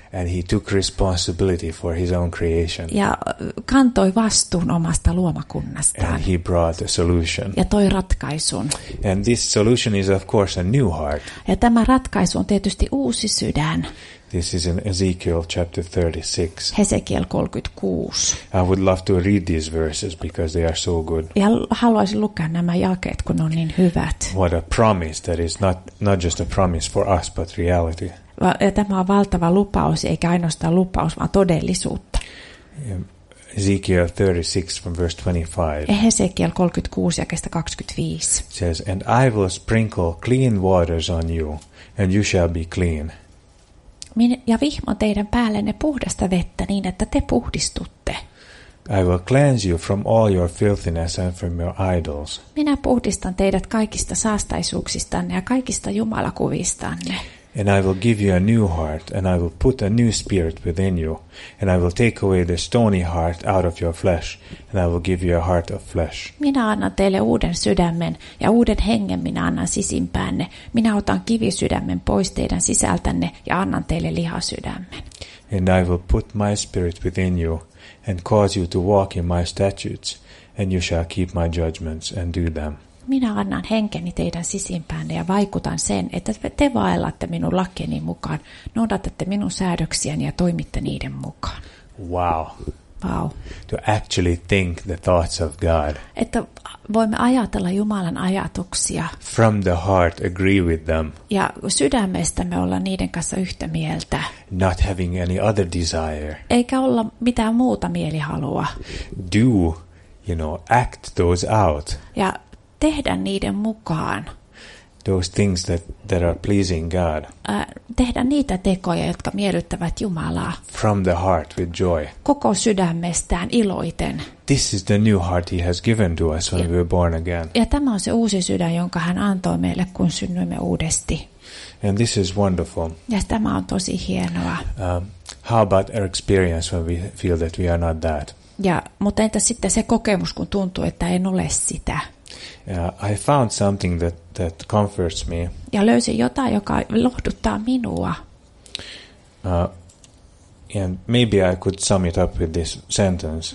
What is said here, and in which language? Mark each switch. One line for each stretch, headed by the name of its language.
English: And he took responsibility for his own creation.
Finnish: Ja kantoi vastuun omasta luomakunnastaan.
English: And he brought a solution.
Finnish: Ja toi ratkaisun.
English: And this solution is of course a new heart.
Finnish: Ja tämä ratkaisu on tietysti uusi sydän.
English: This is in Ezekiel 36.
Finnish: Hesekiel 36.
English: I would love to read these verses because they are so good.
Finnish: Ja haluaisin lukea nämä jakeet, kun on niin hyvät.
English: What a promise that is not just a promise for us but reality.
Finnish: Ja tämä on valtava lupaus, eikä ainoastaan lupaus, vaan todellisuutta.
English: Ezekiel 36:25.
Finnish: Hesekiel 36 jakeesta 25.
English: Says, and I will sprinkle clean waters on you, and you shall be clean.
Finnish: Ja vihmon teidän päällenne puhdasta vettä niin, että te puhdistutte.
English: I will cleanse you from all your filthiness and from your idols.
Finnish: Minä puhdistan teidät kaikista saastaisuuksistanne ja kaikista jumalakuvistanne.
English: And I will give you a new heart, and I will put a new spirit within you. And I will take away the stony heart out of your flesh, and I will give you a heart of flesh.
Finnish: Minä annan teille uuden sydämen, ja uuden hengen minä annan sisimpäänne. Minä otan kivisydämen pois teidän sisältänne, ja annan teille lihasydämen.
English: And I will put my spirit within you, and cause you to walk in my statutes, and you shall keep my judgments and do them.
Finnish: Minä annan henkeni teidän sisimpäänne ja vaikutan sen, että te vaellatte minun lakieni mukaan, noudatatte minun säädöksiäni ja toimitte niiden mukaan. Wow. Wow.
English: To actually think the thoughts of God.
Finnish: Että voimme ajatella Jumalan ajatuksia.
English: From the heart, agree with them.
Finnish: Ja sydämestä me ollaan niiden kanssa yhtä mieltä.
English: Not having any other desire.
Finnish: Eikä olla mitään muuta mielihalua.
English: Do, you know, act those out.
Finnish: Ja tehdä niiden mukaan.
English: Those things that are pleasing God.
Finnish: Tehdä niitä tekoja, jotka miellyttävät Jumalaa.
English: From the heart with joy.
Finnish: Koko sydämestään iloiten.
English: This is the new heart he has given to us when we were born again.
Finnish: Ja tämä on se uusi sydän, jonka hän antoi meille, kun synnyimme uudesti.
English: And this is wonderful.
Finnish: Ja tämä on tosi hienoa.
English: How about our experience when we feel that we are not that?
Finnish: Ja, mutta entä sitten se kokemus, kun tuntuu, että en ole sitä?
English: I found something that comforts me.
Finnish: Ja löysin jotain, joka lohduttaa minua.
English: And maybe I could sum it up with this sentence.